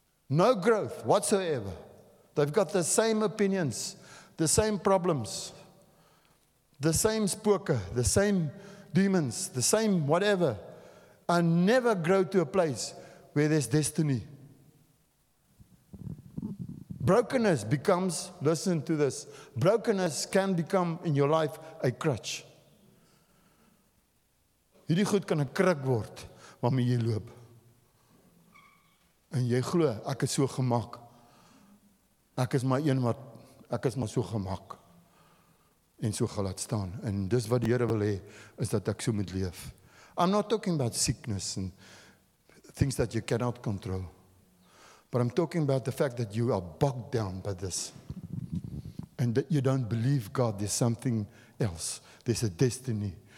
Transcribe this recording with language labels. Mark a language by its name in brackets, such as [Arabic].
[English] No growth whatsoever. They've got the same opinions, the same problems, the same spooker, the same demons, the same whatever, and never grow to a place where there's destiny. Brokenness becomes, listen to this, brokenness can become in your life a crutch. [Afrikaans] Hierdie goed kan 'n kruk word waarmee jy loop. En jy glo, ek is so gemaak. Ek is maar so gemaak. en so gaan laat staan. En dis wat die Here wil hê, is dat ek so moet leef. [English] I'm not talking about sickness and things that you cannot control. But I'm talking about the fact that you are bogged down by this. And that you don't believe God, there's something else. There's a destiny.